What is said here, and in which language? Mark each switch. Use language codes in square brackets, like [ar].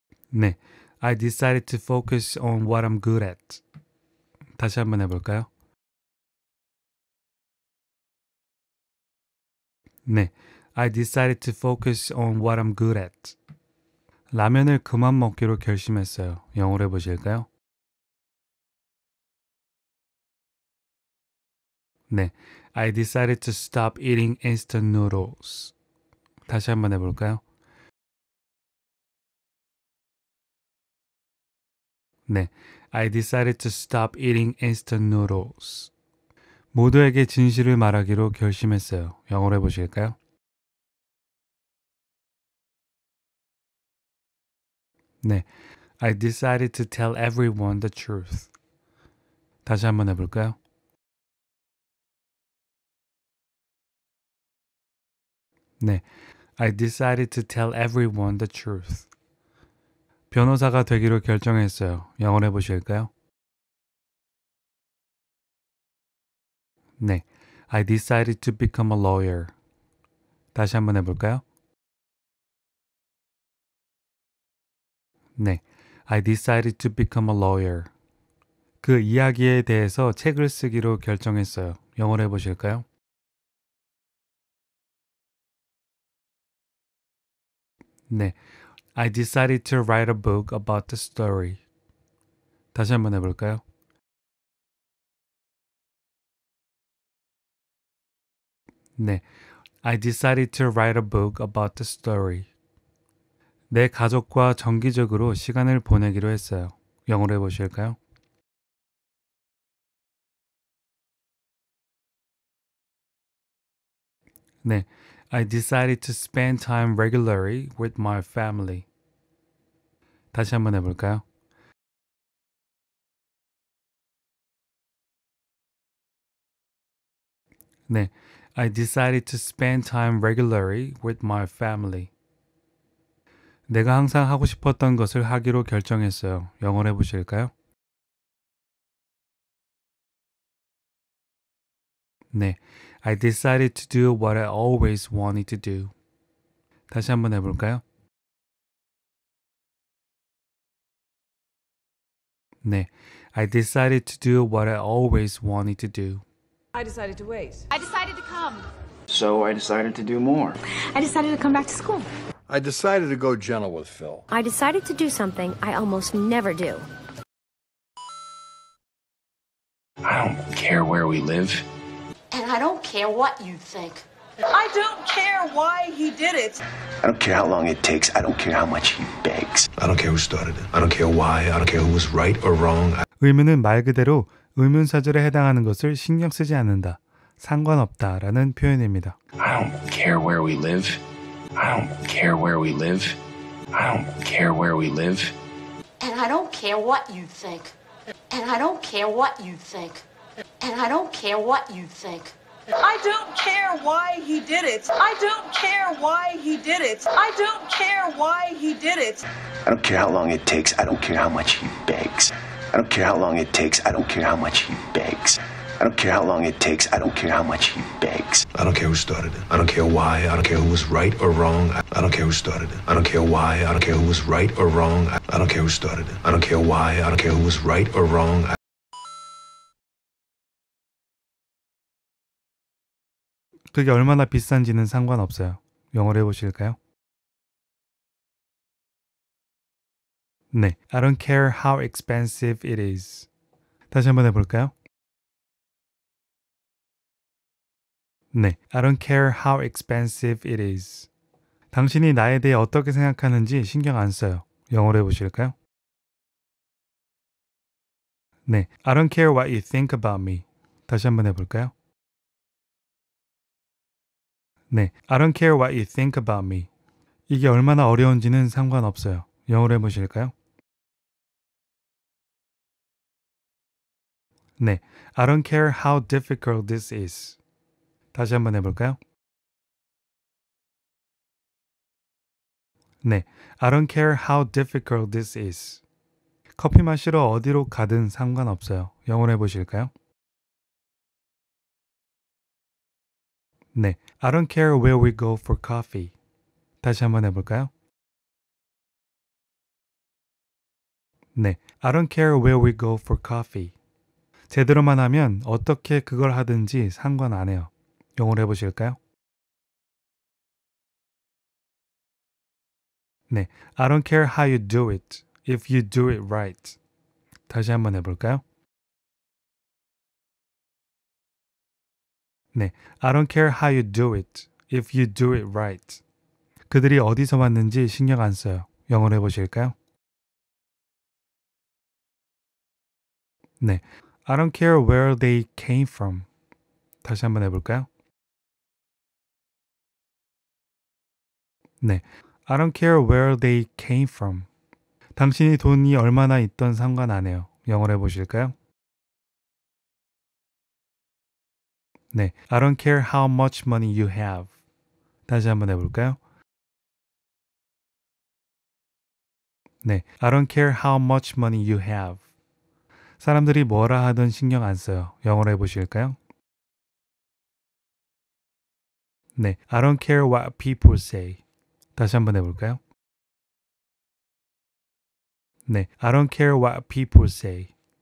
[en] 네, I decided to focus on what I'm good at. [ko] 다시 한번 해볼까요? [en] 네, I decided to focus on what I'm good at. [ko] 라면을 그만 먹기로 결심했어요. 영어로 해보실까요? [en] 네, I decided to stop eating instant noodles. [ko] 다시 한번 해볼까요? [en] 네, I decided to stop eating instant noodles. [ko] 모두에게 진실을 말하기로 결심했어요. 영어로 해보실까요? [en] 네, I decided to tell everyone the truth. [ko] 다시 한번 해볼까요? [en] 네, I decided to tell everyone the truth. [ko] 변호사가 되기로 결정했어요. 영어로 해보실까요? [en] 네, I decided to become a lawyer. [ko] 다시 한번 해볼까요? [en] 네, I decided to become a lawyer. [ko] 그 이야기에 대해서 책을 쓰기로 결정했어요. 영어로 해보실까요? [en] 네, I decided to write a book about the story. [ko] 다시 한번 해볼까요? [en] 네, I decided to write a book about the story. [ko] 내 가족과 정기적으로 시간을 보내기로 했어요. 영어로 해보실까요? [en] 네, I decided to spend time regularly with my family. [ko] 다시 한번 해볼까요? [en] 네, I decided to spend time regularly with my family. [ko] 내가 항상 하고 싶었던 것을 하기로 결정했어요. 영어로 해보실까요? [en] 네, I decided to do what I always wanted to do. [ko] 다시 한번 해볼까요? [en] 네, I decided to do what I always wanted to do. I decided to wait. I decided to come. So I decided to do more. I decided to come back to school. I decided to go gentle with Phil. I decided to do something I almost never do. I don't care where we live. And I don't care what you think. I don't care why he did it. I don't care how long it takes. I don't care how much he begs. I don't care who started it. I don't care why. I don't care who was right or wrong. [ko] 의문은 말 그대로 의문사절에 해당하는 것을 신경 쓰지 않는다. 상관없다 라는 표현입니다. [en] I don't care where we live. I don't care where we live. I don't care where we live. And I don't care what you think. And I don't care what you think. And I don't care what you think. I don't care why he did it. I don't care why he did it. I don't care why he did it. I don't care how long it takes. I don't care how much he begs. I don't care how long it takes. I don't care how much he begs. I don't care how long it takes. I don't care how much he begs. I don't care who started it. I don't care why. I don't care who was right or wrong. I don't care who started it. I don't care why. I don't care who was right or wrong. I don't care who started it. I don't care why. I don't care who was right or wrong. [ko] I 게 얼마나 비싼지는 상관없어요. 영어로 해보실까요? [en] 네, I don't care how expensive it is. [ko] 다시 한번 해볼까요? [en] 네, I don't care how expensive it is. [ko] 당신이 나에 대해 어떻게 생각하는지 신경 안 써요. 영어로 해보실까요? [en] 네, I don't care what you think about me. [ko] 다시 한번 해볼까요? [en] 네, I don't care what you think about me. [ko] 이게 얼마나 어려운지는 상관없어요. 영어로 해보실까요? [en] 네, I don't care how difficult this is. [ko] 다시 한번 해볼까요? [en] 네, I don't care how difficult this is. [ko] 커피 마시러 어디로 가든 상관없어요. 영어로 해보실까요? [en] 네, I don't care where we go for coffee. [ko] 다시 한번 해볼까요? [en] 네, I don't care where we go for coffee. [ko] 제대로만 하면 어떻게 그걸 하든지 상관 안 해요. 영어로 해보실까요? [en] 네, I don't care how you do it, if you do it right. [ko] 다시 한번 해볼까요? [en] 네, I don't care how you do it, if you do it right. [ko] 그들이 어디서 왔는지 신경 안 써요. 영어로 해보실까요? [en] 네, I don't care where they came from. [ko] 다시 한번 해볼까요? [en] 네, I don't care where they came from. [ko] 당신이 돈이 얼마나 있던 상관 안 해요. 영어로 해보실까요? [en] 네, I don't care how much money you have. [ko] 다시 한번 해볼까요? [en] 네, I don't care how much money you have. [ko] 사람들이 뭐라 하든 신경 안 써요. 영어로 해보실까요? [en] 네, I don't care what people say. [ko] 다시 한번 해볼까요? [en] 네, I don't care what people say.